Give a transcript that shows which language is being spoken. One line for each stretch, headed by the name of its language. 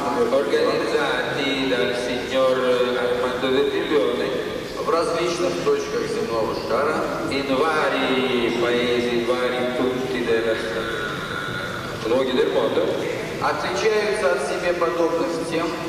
Italian: organizzati dal signor Armando Vertiglione
Russian: в различных точках земного шара
Italian: in vari paesi, in vari punti della luoghi del mondo
Russian: отличаются от себе подобных тем